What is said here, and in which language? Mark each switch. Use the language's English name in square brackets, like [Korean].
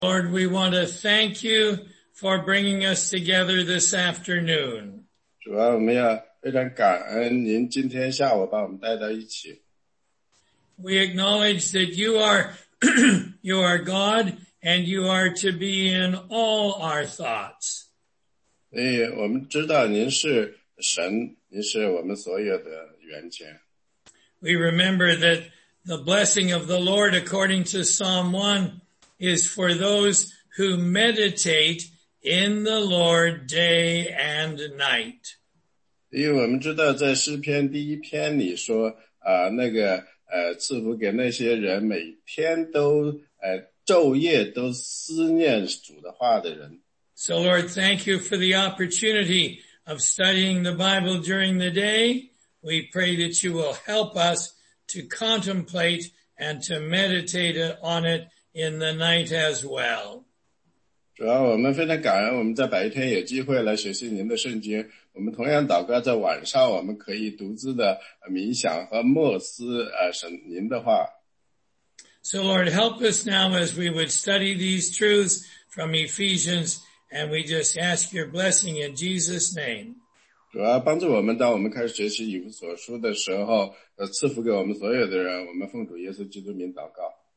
[English] Lord, we want to thank you for bringing us together this afternoon. [Chinese] 主啊，我们要非常感恩您今天下午把我们带到一起。 [English] We acknowledge that you are, you are God, and you are to be in all our thoughts. [Chinese] 所以我们知道您是神，您是我们所有的源泉。 [English] We remember that the blessing of the Lord according to Psalm 1 is for those who meditate in the Lord day and night. [Chinese] 因为我们知道在诗篇第一篇里说那个赐福给那些人每天都昼夜都思念主的话的人。 [English] So Lord, thank you for the opportunity of studying the Bible during the day. We pray that you will help us to contemplate and to meditate on it in the night as well. [Chinese] 主啊，我们非常感恩我们在白天有机会来学习您的圣经。我们同样祷告在晚上我们可以独自的冥想和默思神您的话。 [English] So Lord, help us now as we would study these truths from Ephesians, and we just ask your blessing in Jesus' name. [Chinese] 主啊，帮助我们当我们开始学习以弗所书的时候赐福给我们所有的人，我们奉主耶稣基督名祷告。